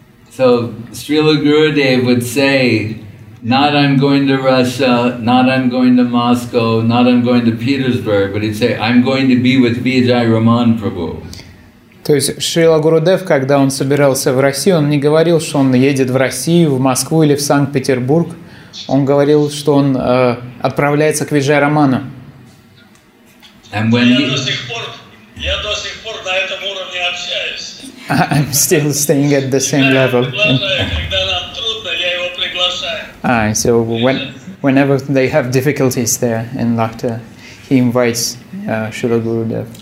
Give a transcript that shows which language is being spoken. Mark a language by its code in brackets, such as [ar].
[en] So Srila Gurudev would say, not I'm going to Russia, not I'm going to Moscow, not I'm going to Petersburg, but he'd say, I'm going to be with Vijay Raman Prabhu. [ru] То есть Шрила Гурудев, когда он собирался в Россию, он не говорил, что он едет в Россию, в Москву или в Санкт-Петербург. Он говорил, что он отправляется к Виджая Раману. Я до сих пор на этом уровне общаюсь. [en] I'm still staying at the same level. [ru] Когда нам трудно, я его приглашаю. [en] So whenever they have difficulties there in Lakhta, he invites Шрила Гурудев.